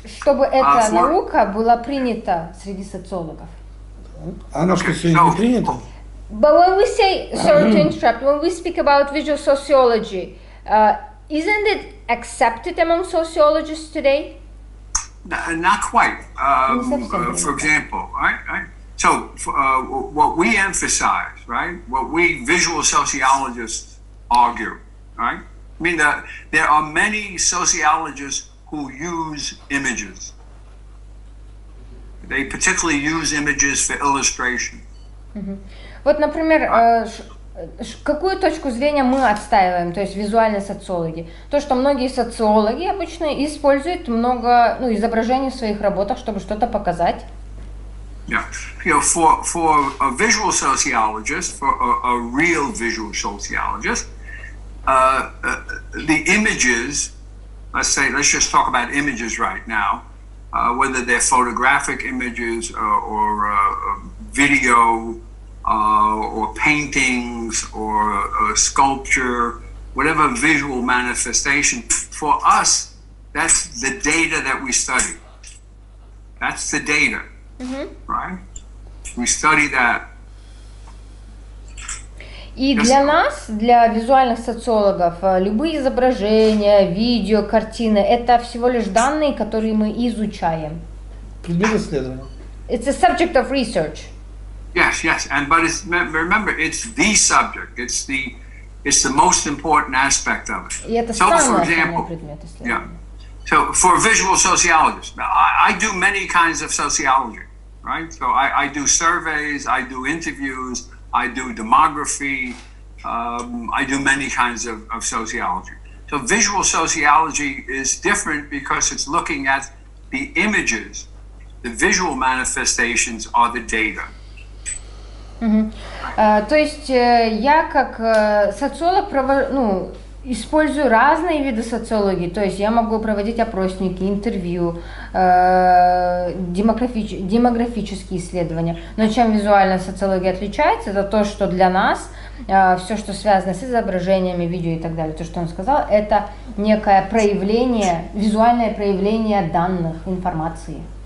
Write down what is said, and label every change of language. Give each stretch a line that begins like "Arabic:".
Russian: Чтобы эта наука была принята среди социологов. Она что, сегодня не принята?
English: But when we say, sorry to interrupt, when we speak about visual sociology, isn't it accepted among sociologists today? Not quite. For example, right? So what we emphasize, right? What we visual sociologists argue, right? I mean, there are many sociologists who use images. They particularly use images for illustration. Mm-hmm.
Russian: Вот, например, какую точку зрения мы отстаиваем, то есть визуальные социологи? То, что многие социологи обычно используют много изображений в своих работах, чтобы что-то показать.
English: Yeah, for a visual sociologist, for a real visual sociologist, the images, let's just talk about images right now, whether they're photographic images or video or paintings or sculpture, whatever visual manifestation, for us, that's the data that we study. That's the data. Mm-hmm. Right? We study that.
Russian: И для нас, для визуальных социологов, любые изображения, видео, картины – это всего лишь данные, которые мы изучаем. Предмет исследования.
English: It's a subject of research. Yes, yes, but it's, remember, it's the subject. It's the most important aspect of it.
Russian: И это самое важное предмет исследования.
English: Yeah. So for visual sociologists, I do many kinds of sociology. Right, so I do surveys, I do interviews, I do demography, I do many kinds of sociology. So visual sociology is different because it's looking at the images, the visual manifestations are the data.
Russian: То есть я как социолог использую разные виды социологии, то есть я могу проводить опросники, интервью, демографические исследования. Но чем визуальная социология отличается, это то, что для нас все, что связано с изображениями, видео и так далее, то, что он сказал, это некое проявление, визуальное проявление данных, информации.